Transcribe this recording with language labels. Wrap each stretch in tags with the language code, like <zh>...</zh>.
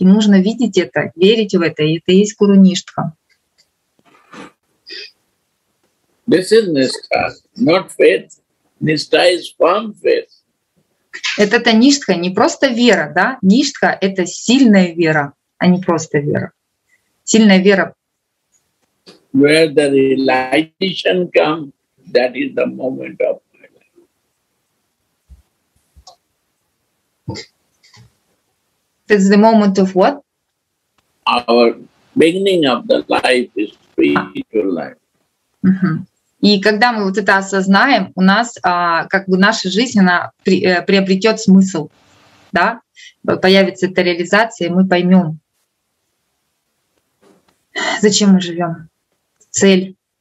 <ru>И нужно видеть это, верить в это, и это есть Гуру Ништха.</ru> <en>This is Nishtha, not faith. Nishtha is firm faith.</en> <ru>Это Ништха, не просто вера, да? Ништха — это сильная вера, а не просто вера. Сильная вера.</ru> <en>Where the realization comes, that is the moment of it's the moment of what? Our beginning of the life is spiritual life.</en> <ru>И когда мы вот это осознаем, у нас как бы наша жизнь, она приобретет смысл, да? Появится эта реализация, и мы поймем, зачем мы живем, цель.</ru>